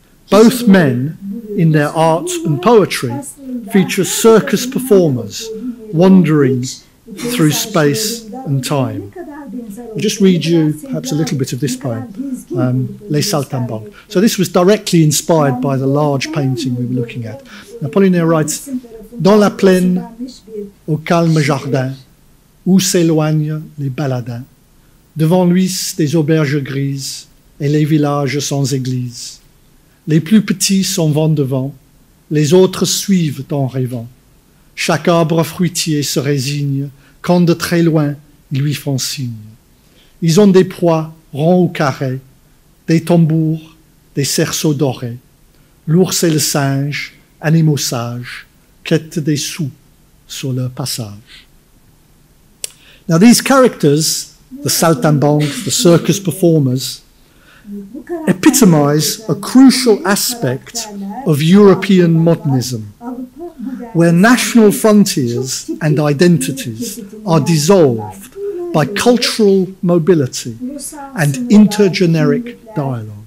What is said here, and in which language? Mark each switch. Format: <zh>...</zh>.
<en>Both men, in their art and poetry, feature circus performers wandering through space and time. I'll just read you perhaps a little bit of this poem, Les Saltimbanques. So this was directly inspired by the large painting we were looking at. Apollinaire writes,</en> <fr>"Dans la plaine, au calme jardin, où s'éloignent les baladins, devant lui des auberges grises et les villages sans église. Les plus petits sont vent devant, les autres suivent en rêvant. chaque arbre fruitier se résigne quand de très loin ils lui font signe. Ils ont des pois ronds ou carrés, des tambours, des cerceaux dorés. L'ours et le singe, animaux sages, quittent des sous sur leur passage.</fr> <en>Now these characters, the saltimbanques, the circus performers, epitomize a crucial aspect of European modernism, where national frontiers and identities are dissolved by cultural mobility and intergeneric dialogue.</en>